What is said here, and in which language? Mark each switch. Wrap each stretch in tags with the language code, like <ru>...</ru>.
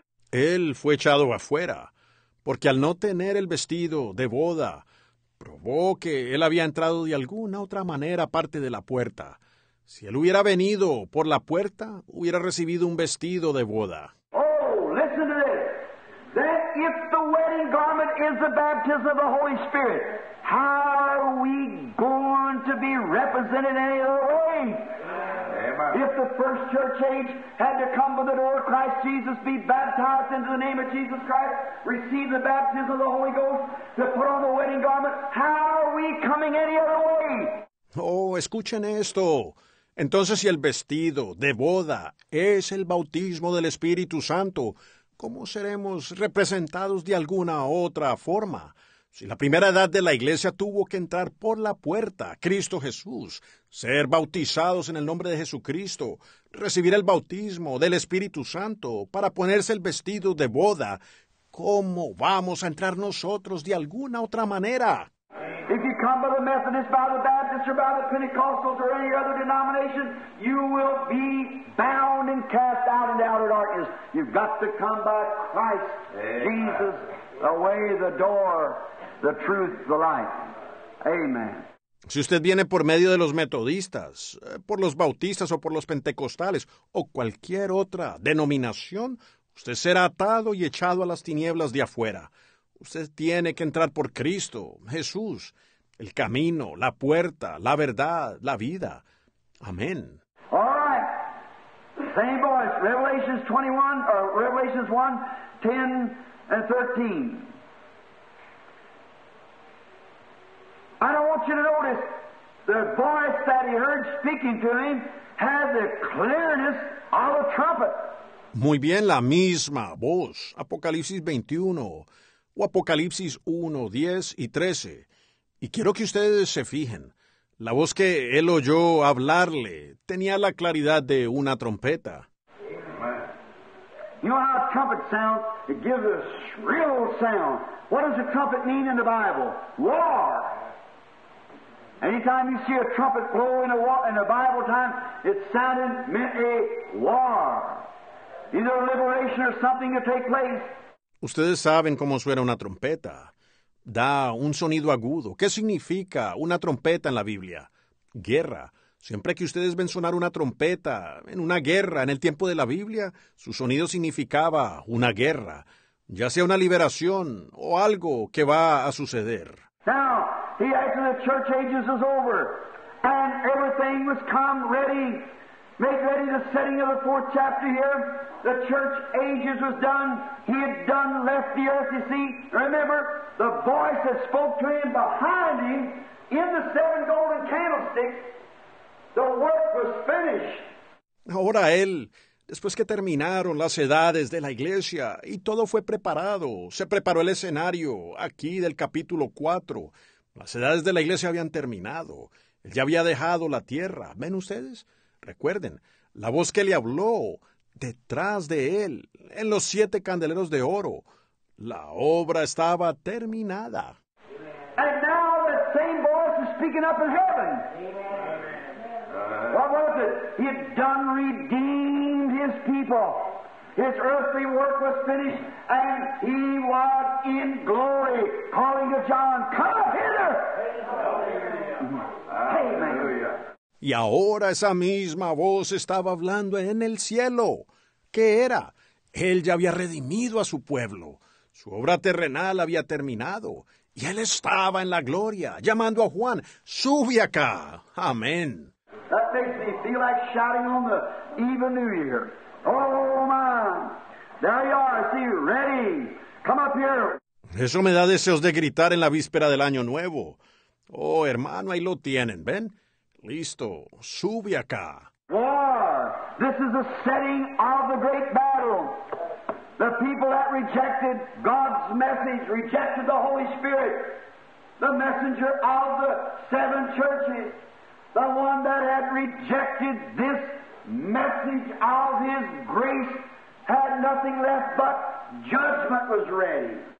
<es>Él fue echado afuera, porque al no tener el vestido de boda, probó que él había entrado de alguna otra manera aparte de la puerta. Si él hubiera venido por la puerta, hubiera recibido un vestido de boda.</es> <en>Oh, listen to this. That if the wedding garment is the baptism of the Holy Spirit, how are we going to be represented any other way? Amen. If the first church age had to come by the door of Christ Jesus, be baptized into the name of Jesus Christ, receive the baptism of the Holy Ghost, to put on the wedding garment, how are we coming any other way?</en> <es>Oh, escuchen esto. Entonces, si el vestido de boda es el bautismo del Espíritu Santo, ¿cómo seremos representados de alguna otra forma? Si la primera edad de la iglesia tuvo que entrar por la puerta, Cristo Jesús, ser bautizados en el nombre de Jesucristo, recibir el bautismo del Espíritu Santo para ponerse el vestido de boda, ¿cómo vamos a entrar nosotros de alguna otra manera?</es> <en>If you come by the Methodist, by the Baptist, or by the Pentecostals, or any other denomination, you will be bound and cast out into outer darkness. You've got to come by Christ, amen. Jesus, the way, the door, the truth, the life. Amen.</en> <es>Si usted viene por medio de los metodistas, por los bautistas o por los pentecostales, o cualquier otra denominación, usted será atado y echado a las tinieblas de afuera. Usted tiene que entrar por Cristo, Jesús, el camino, la puerta, la verdad, la vida. Amén.</es> <en>All right. Same voice. Revelations 21, or Revelations 1, 10 and 13. I don't want you to notice the voice that he heard speaking to him had the clearness of a trumpet.</en> <es>Muy bien, la misma voz. Apocalipsis 21. O Apocalipsis 1, 10 y 13. Y quiero que ustedes se fijen. La voz que él oyó hablarle tenía la claridad de una trompeta.</es> <en>You know how a trumpet sounds? It gives a shrill sound. What does a trumpet mean in the Bible? Roar. Anytime you see a trumpet blow in a Bible time, it sounded meant a war. Either a liberation or something to take place.</en> <es>Ustedes saben cómo suena una trompeta. Da un sonido agudo. ¿Qué significa una trompeta en la Biblia? Guerra. Siempre que ustedes ven sonar una trompeta en una guerra en el tiempo de la Biblia, su sonido significaba una guerra, ya sea una liberación o algo que va a suceder.</es> <en>Now, He actually, the church ages is over. And everything was come ready. Made ready the setting of the fourth chapter here. The church ages was done. He had done left the earth, you see. Remember, the voice that spoke to him behind him in the seven golden candlesticks, the work was finished.</en> <es>Ahora él, después que terminaron las edades de la iglesia y todo fue preparado, se preparó el escenario aquí del capítulo 4. Las edades de la iglesia habían terminado. Él ya había dejado la tierra. ¿Ven ustedes? Recuerden, la voz que le habló detrás de él, en los siete candeleros de oro, la obra estaba terminada.</es> <en>And now the same voice is speaking up in heaven. What was it? He had done redeemed his people. His earthly work was finished, and he was in glory, calling to John, come hither. Amen.</en> <es>Y ahora esa misma voz estaba hablando en el cielo. ¿Qué era? Él ya había redimido a su pueblo. Su obra terrenal había terminado. Y él estaba en la gloria, llamando a Juan, ¡sube acá! ¡Amén!</es> <en>That makes me feel like shouting on the eve of New Year. Oh, man! There you are, see you, ready! Come up here!</en> <es>Eso me da deseos de gritar en la víspera del Año Nuevo. Oh, hermano, ahí lo tienen, ¿ven? Listo, sube acá.</es> <en>War! This is the setting of the great battle. The people that rejected God's message, rejected the Holy Spirit, the messenger of the seven churches, the one that had rejected this message of His grace, had nothing left but judgment was ready.</en>